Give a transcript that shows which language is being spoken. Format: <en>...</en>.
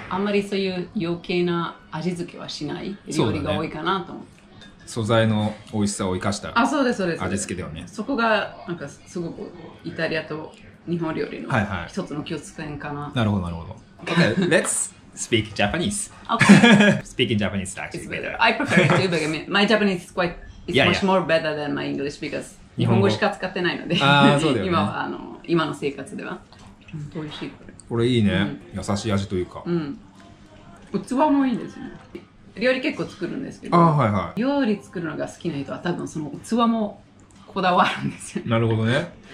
<ja>あんまりそういう余計な味付けはしない料理が多いかなと思って。素材の美味しさを生かした味付けだよね。そこがなんかすごくイタリアと日本料理の一つの共通点かな、はいはい、なるほどなるほど。</ja> <en>OK, let's speak Japanese. OK. Speaking Japanese is actually better. I prefer it too, but I mean, my Japanese is quite, it's much more better than my English because</en> <ja>日本語しか使ってないので、あ、そうだよね、今はあの今の生活では本当美味しい。これいいね、うん、優しい味というか、うん、器もいいですね。料理結構作るんですけど、あ、はいはい、料理作るのが好きな人は多分その器もこだわるんですよ、ね、なるほどね。</ja>